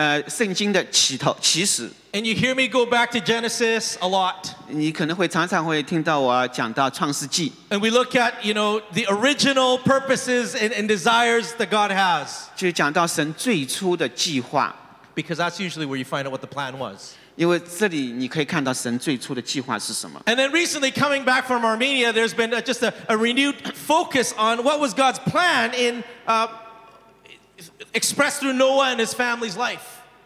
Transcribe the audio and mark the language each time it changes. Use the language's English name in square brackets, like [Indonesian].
[Chinese] 你坐在这里，很多时候我就想到了这个圣经的起头起始。 [English] And you hear me go back to Genesis a lot. [Chinese] 你可能会常常会听到我讲到创世纪。 [English] And we look at, you know, the original purposes and desires that God has. [Chinese] 就讲到神最初的计划。 [English] Because that's usually where you find out what the plan was. [Chinese] 因为这里你可以看到神最初的计划是什么。 [English] And then recently coming back from Armenia, there's been just a renewed focus on what was God's plan in expressed through Noah and his family's life.